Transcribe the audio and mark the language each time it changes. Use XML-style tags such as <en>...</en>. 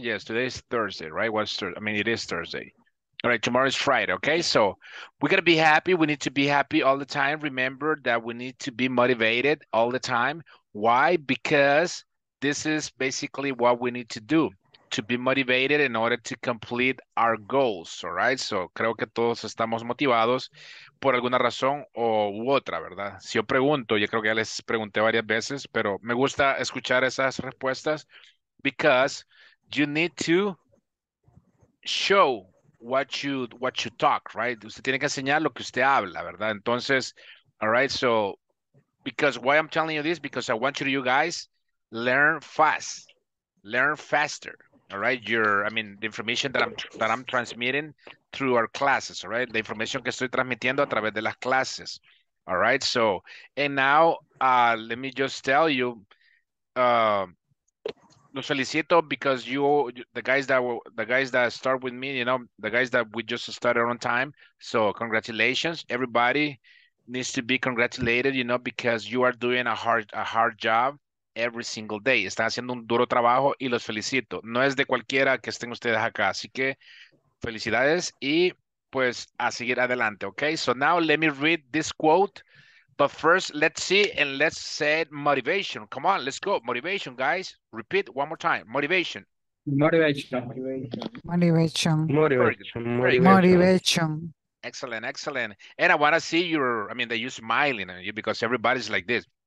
<en>Yes, today is Thursday, right? It is Thursday. All right, tomorrow is Friday, okay? So we got to be happy. We need to be happy all the time. Remember that we need to be motivated all the time. Why? Because this is basically what we need to do, to be motivated in order to complete our goals, all right?</en> <es>So creo que todos estamos motivados por alguna razón o u otra, ¿verdad? Si yo pregunto, yo creo que ya les pregunté varias veces, pero me gusta escuchar esas respuestas.</es> <en>Because you need to show what you talk, right?</en> <es>Usted tiene que enseñar lo que usted habla, ¿verdad?</es> <en>Entonces, all right, so because why I'm telling you this, because I want you guys learn fast, learn faster, all right? The information that I'm transmitting through our classes, all right? The information</en> <es>que estoy transmitiendo a través de las clases,</es> <en>all right? So, and now let me just tell you,</en> <es>lo solicito</es> <en>because you, the guys that start with me, you know, the guys that we just started on time. So congratulations. Everybody needs to be congratulated, you know, because you are doing a hard job every single day.</en> <es>Están haciendo un duro trabajo y los felicito. No es de cualquiera que estén ustedes acá. Así que felicidades y pues a seguir adelante.</es> <en>Okay, so now let me read this quote. But first, let's see and let's say motivation. Come on, let's go. Motivation, guys. Repeat one more time. Motivation. Motivation. Motivation. Motivation. Motivation. Excellent, excellent. And I want to see your, I mean, that you're smiling at you because everybody's like this.</en>